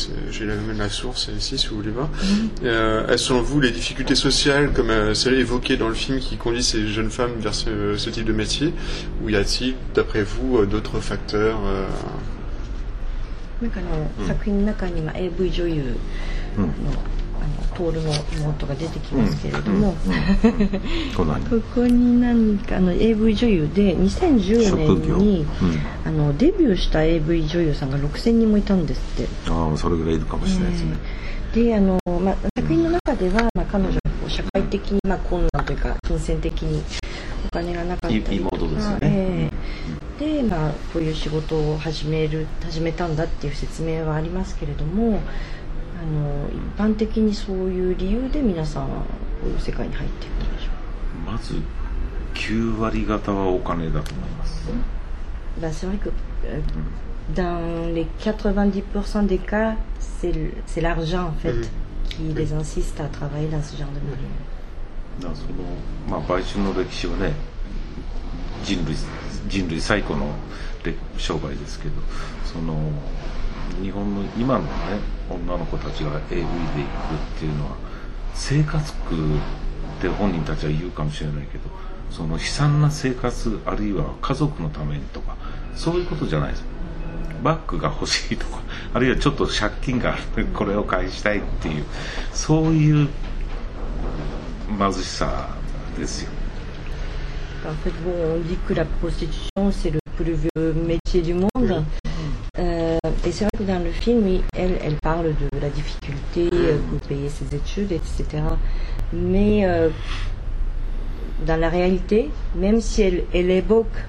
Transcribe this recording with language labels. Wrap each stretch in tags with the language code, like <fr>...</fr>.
<fr>J'ai la même la source ici, si vous voulez voir. Selon vous, les difficultés sociales, comme celles évoquées dans le film, qui conduisent ces jeunes femmes vers ce, ce type de métier, ou y a-t-il, d'après vous, d'autres facteurs</fr> <ja>なんかの作品の中に AV 女優 の, あのトールの妹が出てきますけれども、ここに何かの AV 女優で2010年にあのデビューした AV 女優さんが6000人もいたんですって。ああ、それぐらいいるかもしれないですね。であの、まあ、作品の中では、まあ、彼女はこう社会的に、まあ、困難というか金銭的にお金がなかったりとか、妹ですね、で、まあ、こういう仕事を始めたんだっていう説明はありますけれども、あの一般的にそういう理由で皆さんはこういう世界に入っていくんでしょう。まず9割方はお金だと思います。</ja> <fr>Bah, c'est vrai que dans les 90% des cas, c'est l'argent en fait qui les insiste à travailler dans ce genre de milieu.</fr> <ja>だからその、まあ、売春の歴史はね、人類最古の商売ですけど、その日本の今のね、女の子たちが AV で行くっていうのは生活苦って本人たちは言うかもしれないけど、その悲惨な生活あるいは家族のためにとか、そういうことじゃないです。バッグが欲しいとか、あるいはちょっと借金があるこれを返したいっていう、そういう貧しさですよ。</ja> <fr>En fait, bon, on dit que la prostitution, c'est le plus vieux métier du monde. Et c'est vrai que dans le film, elle parle de la difficulté pour payer ses études, etc. Mais dans la réalité, même si elle évoque</fr>